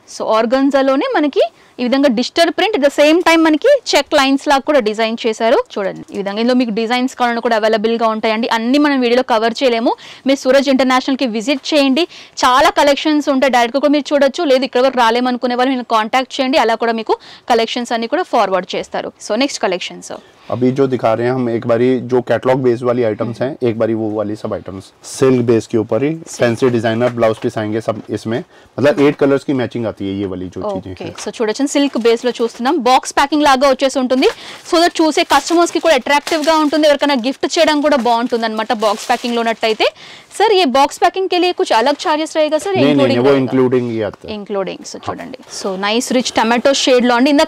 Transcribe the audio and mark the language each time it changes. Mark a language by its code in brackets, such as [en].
[te] So ఆర్గన్జాలోనే మనకి ఈ విధంగా digital print the same time మనకి చెక్ లైన్స్ లాగా కూడా డిజైన్ చేశారు చూడండి. ఈ విధంగా ఇందులో మీకు డిజైన్స్ కావాలని కూడా అవైలబుల్ గా ఉంటాయండి. అన్ని మనం వీడియోలో కవర్ చేయలేము. మీ సూరజ్ ఇంటర్నేషనల్కి విజిట్ చేయండి. చాలా కలెక్షన్స్ ఉంటాయి, డైరెక్ట్ కూడా మీరు చూడొచ్చు. లేదు ఇక్కడ వరకు రాలేమనుకునే వాళ్ళు మీరు కాంటాక్ట్ చేయండి, అలా కూడా మీకు కలెక్షన్స్ అన్ని కూడా ఫార్వర్డ్ చేస్తారు. సో నెక్స్ట్ కలెక్షన్స్ [hi] अभी जो दिखा रहे हैं हम एक बारी जो कैटलॉग बेस वाली आइटम्स हैं, एक बारी वो वाली सब आइटम्स सिल्क बेस के ऊपर ही फैंसी डिजाइनर ब्लाउज पीस आएंगे सब इसमें, मतलब 8 कलर्स की मैचिंग आती है ये वाली जो चीजें. सो छोटा सिल्क बेस [te] लो చూస్తున్నాం, బాక్స్ ప్యాకింగ్ లాగా వచ్చేసి ఉంటుంది. సో దట్ చూసే కస్టమర్స్ కి కూడా అట్రాక్టివ్ గా ఉంటుంది, ఎవరికైనా గిఫ్ట్ చేయడం కూడా బాగుంటుంది అన్నమాట బాక్స్ ప్యాకింగ్ లో ఉన్నట్టయితే. సార్ ఈ బాక్స్ ప్యాకింగ్ కి లే కొంచెం అలగ్ చార్జెస్ రాయేగా సార్? ఇంక్లూడింగ్ ఈ అంతా ఇంక్లూడింగ్. సో చూడండి, so nice rich tomato shade లో ఉంది.